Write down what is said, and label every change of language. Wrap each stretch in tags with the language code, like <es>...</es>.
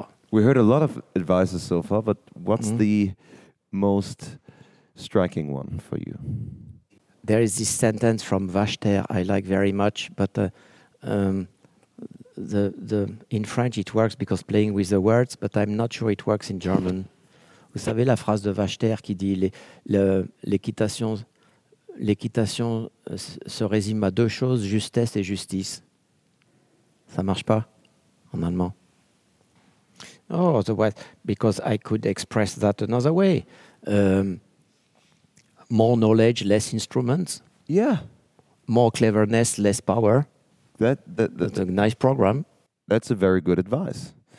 <en>We heard a lot of advices so far, but what's the most striking one for you? There is this sentence from Vachter I like very much, but the in French it works because playing with the words, but I'm not sure it works in German.</en> <fr>Vous savez la phrase de Vachter qui dit l'équitation se résume à deux choses, justesse et justice. Ça marche pas en allemand.</fr> <en>Oh, otherwise, because I could express that another way. More knowledge, less instruments. Yeah. More cleverness, less power. That's a nice program. That's a very good advice.</en>